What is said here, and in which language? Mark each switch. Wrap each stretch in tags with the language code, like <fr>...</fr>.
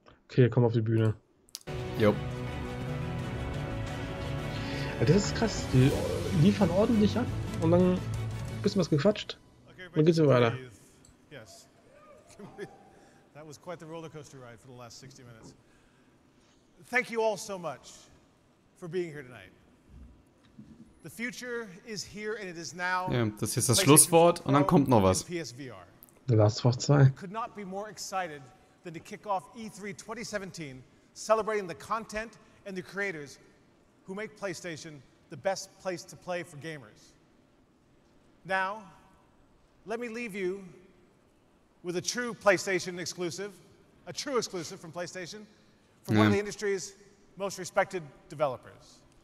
<de>Okay, komm auf die Bühne. Jo. Das ist krass. Die liefern ordentlich ab und dann ein bisschen was gequatscht. Okay, dann geht's weiter. Yes.</de> <en>That was quite the rollercoaster ride for the last 60 minutes. Thank you all so much for being here tonight. The future is here and it is now.</en> <de>Ja, das ist das Schlusswort und dann kommt noch was.</de> <en>The Last of Us 2. Could not be more excited than to kick off E3 2017 celebrating the content and the creators who make PlayStation the best place to play for gamers. Now, let me leave you with a true PlayStation exclusive, a true exclusive from PlayStation from one of the industry's most respected developers.</en>